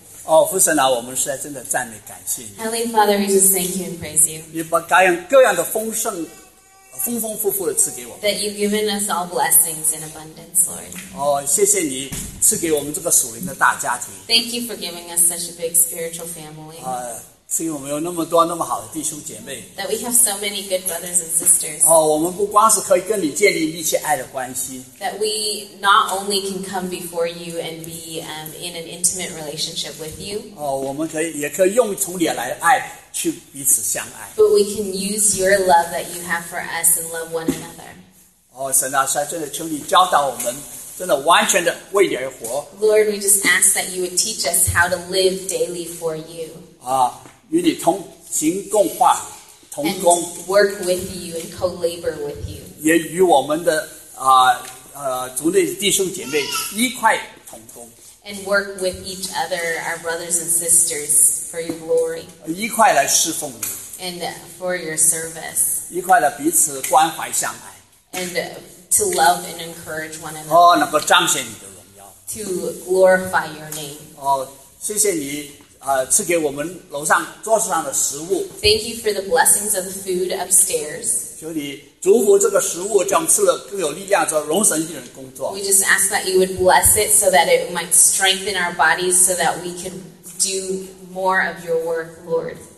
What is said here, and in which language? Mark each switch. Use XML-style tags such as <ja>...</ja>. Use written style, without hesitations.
<zh>Oh, 父神啊, 我们实在真的赞美,</zh> <en>Heavenly Father, we just thank you and praise you.</en> <zh>你把各样的丰盛, 丰丰富富的赐给我们,</zh> <en>that you've given us all blessings in abundance, Lord.</en> <zh>Oh, 谢谢你赐给我们这个属灵的大家庭.</zh> <en>Thank you for giving us such a big spiritual family.</en> <zh>赐给我们有那么多那么好的弟兄姐妹,</zh> <en>that we have so many good brothers and sisters.</en> <zh>我们不光是可以跟你建立密切爱的关系,</zh> <en>that we not only can come before you and be in an intimate relationship with you.</en> <zh>我们可以也可以用从你来爱去彼此相爱,</zh> <en>but we can use your love that you have for us and love one another.</en> <zh>神啊，真的求你教导我们, 真的完全的为你而活.</zh> <en>Lord, we just ask that you would teach us how to live daily for you.</en> <zh>与你同行共化, 同工,</zh> <en>and work with you and co-labor with you.</en> <zh>也与我们的, 族内弟兄姐妹一块同工,</zh> <en>and work with each other, our brothers and sisters, for your glory.</en> <zh>一块来侍奉你,</zh> <en>and for your service.</en> <zh>一块来彼此关怀相爱,</zh> <en>and to love and encourage one another.</en> <zh>能够彰显你的荣耀,</zh> <en>to glorify your name.</en> <zh>谢谢你, 赐给我们楼上桌子上的食物,</zh> <en>thank you for the blessings of the food upstairs.</en> <zh>求你祝福这个食物, 叫我们吃了更有力量, 做容神一人工作,</zh> <en>we just ask that you would bless it so that it might strengthen our bodies so that we can do more of your work, Lord.</en>